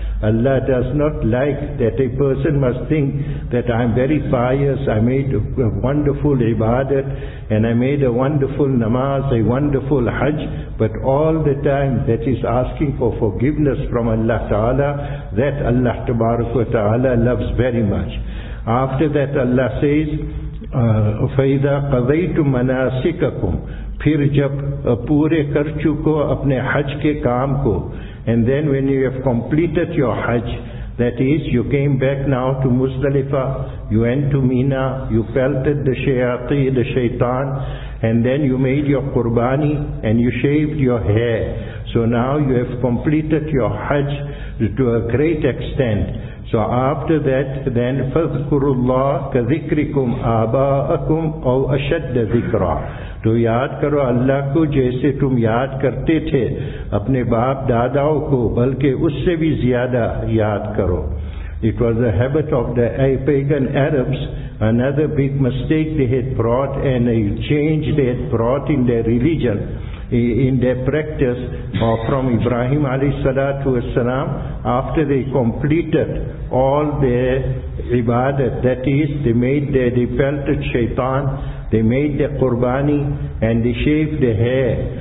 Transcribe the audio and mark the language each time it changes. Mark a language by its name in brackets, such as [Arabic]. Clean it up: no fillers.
[English] Allah does not like that a person must think that I am very pious, I made a wonderful ibadat, and I made a wonderful namaz, a wonderful hajj, but all the time that is asking for forgiveness from Allah Ta'ala, that Allah Ta'ala loves very much. After that Allah says, [Arabic] فَإِذَا قَضَيْتُ مَنَاسِكَكُمْ [Urdu] پھر جب پورے کر چکو اپنے حج کے کام کو. [English] And then when you have completed your hajj, that is, you came back now to Muzdalifah, you went to Mina, you pelted the shayateen, the shaitan, and then you made your qurbani and you shaved your hair. So now you have completed your hajj to a great extent. So after that, then [Arabic] فَذْكُرُ اللَّهِ كَذِكْرِكُمْ آبَاءَكُمْ أَوْ أَشَدَّ ذِكْرًا. [Urdu] تو یاد کرو اللہ کو جیسے تم یاد کرتے تھے اپنے باپ داداؤں کو, بلکہ اس سے بھی زیادہ یاد کرو. [English] It was the habit of the pagan Arabs, another big mistake they had brought and a change they had brought in their religion, in their practice, or from Ibrahim alayhi salatu wasalam, after they completed all their ibadat, that is, they made their defelted shaitan, they made their qurbani, and they shaved their hair.